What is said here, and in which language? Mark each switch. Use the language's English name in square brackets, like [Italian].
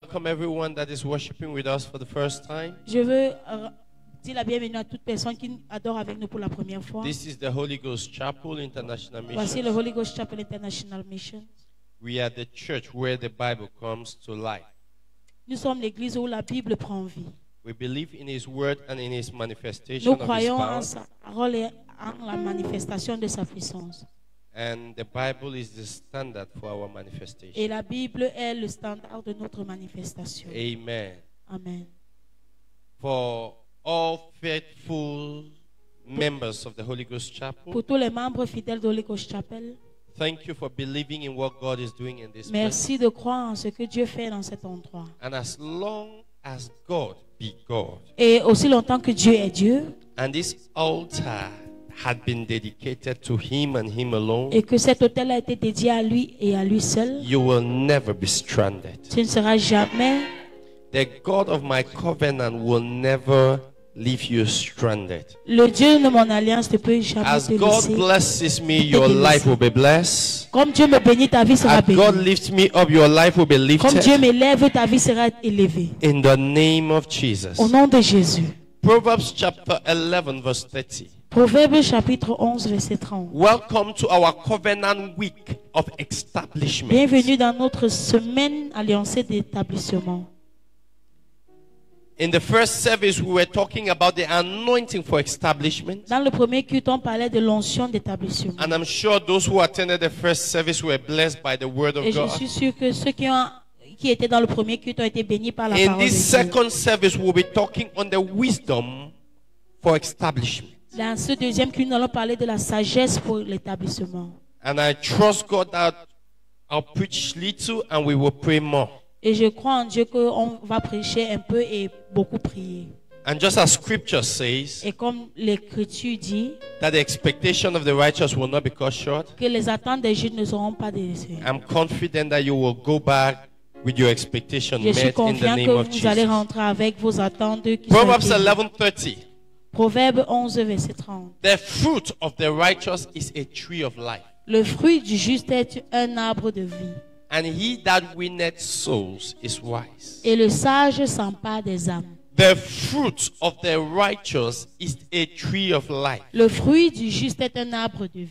[English] welcome everyone that is worshiping with us for the first time. [French] Je veux dire la bienvenue à toute personne qui adore avec nous pour la première fois. [English] This is the Holy Ghost Chapel International Mission. [French] Voici le Holy Ghost Chapel International Mission. [English] We are the church where the Bible comes to life. [French] Nous sommes l'église où la Bible prend vie. [English] We believe in His Word and in His manifestation. [French] Nous croyons en sa parole et en la manifestation de sa puissance. [English] And the Bible is the standard for our manifestation. [French] Et la Bible est le standard de notre manifestation. [English] Amen. [French] Amen. [English] For all faithful members of the Holy Ghost Chapel. [French] Pour tous les membres fidèles de Holy Ghost Chapel. [English] Thank you for believing in what God is doing in this place. [French] Merci de croire en ce que Dieu fait dans cet endroit. [English] And as long as God be God. [French] Et aussi longtemps que Dieu est Dieu. [English] And this altar had been dedicated to Him and Him alone. [French] Et que cet autel a été dédié à lui et à lui seul. [English] You will never be stranded. [French] Tu ne seras jamais. [English] The God of my covenant will never leave you stranded. [French] Le Dieu de mon alliance ne peut jamais te laisser. [English] As God blesses me, your life will be blessed. [French] Comme Dieu me bénit, ta vie sera bénie. [English] As God lifts me up, your life will be lifted. [French] Comme Dieu m'élève, ta vie sera élevée. [English] In the name of Jesus. [French] Au nom de Jésus. [English] Proverbs chapter 11 verse 30. [French] Proverbes chapitre 11 verset 30. [English] Welcome to our covenant week of establishment. [French] Bienvenue dans notre semaine alliancée d'établissement. [English] In the first service we were talking about the anointing for establishment. [French] Dans le premier culte on parlait de l'onction d'établissement. [English] And I'm sure those who attended the first service were blessed by the word of God. [French] Et je suis sûr que ceux qui ont qui étaient dans le premier culte ont été bénis par la parole de Dieu. [English] In this second service we'll be talking on the wisdom for establishment. [French] Dans ce deuxième culte, nous allons parler de la sagesse pour l'établissement. [English] And I trust God that I'll preach little and we will pray more. [French] Et je crois en Dieu qu'on va prêcher un peu et beaucoup prier. [English] And just as Scripture says, [French] et comme l'Écriture dit, [English] that the expectation of the righteous will not be cut short, [French] que les attentes des justes ne seront pas déçues. [English] I'm confident that you will go back with your expectation met in the name of Jesus. [French] Je suis confiant que vous allez rentrer avec vos attentes qui sont déçues. [English] Proverbs 11:30. [French] Proverbe 11 verset 30. [English] The fruit of the righteous is a tree of life. [French] Le fruit du juste est un arbre de vie. [English] And he that winneth souls is wise. [French] Et le sage s'empare des âmes. [English] The fruit of the righteous is a tree of life. [French] Le fruit du juste est un arbre de vie.